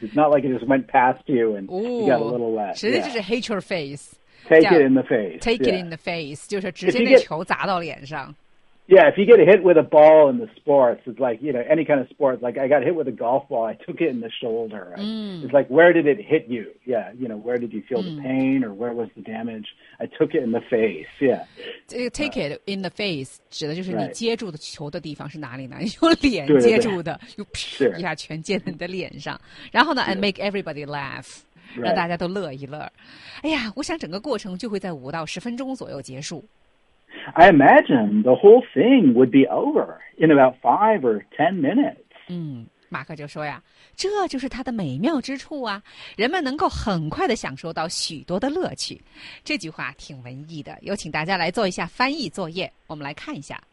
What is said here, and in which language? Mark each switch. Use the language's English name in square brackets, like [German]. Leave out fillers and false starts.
[English] It's not like it just went past you and Ooh, you got a little wet. [Chinese] 直接就是 [English] hit your face. Take it in the face. Take it in the face. [Chinese] 就是直接那球砸到脸上。 [English] Yeah, if you get hit with a ball in the sports, it's like, you know, any kind of sports. Like, I got hit with a golf ball. I took it in the shoulder. Right? Mm. It's like, where did it hit you? Yeah, you know, where did you feel the pain or where was the damage? I took it in the face, yeah. Take it in the face [Chinese] 指的就是你接住的球的地方是哪里呢？用脸接住的，又噗一下全溅在你的脸上。然后呢 [English] and make everybody laugh. Right. [Chinese] 让大家都乐一乐。哎呀，我想整个过程就会在5到10分钟左右结束。 [English] I imagine the whole thing would be over in about 5 or 10 minutes. [Chinese] 马克就说呀，这就是它的美妙之处啊，人们能够很快地享受到许多的乐趣。这句话挺文艺的，有请大家来做一下翻译作业，我们来看一下。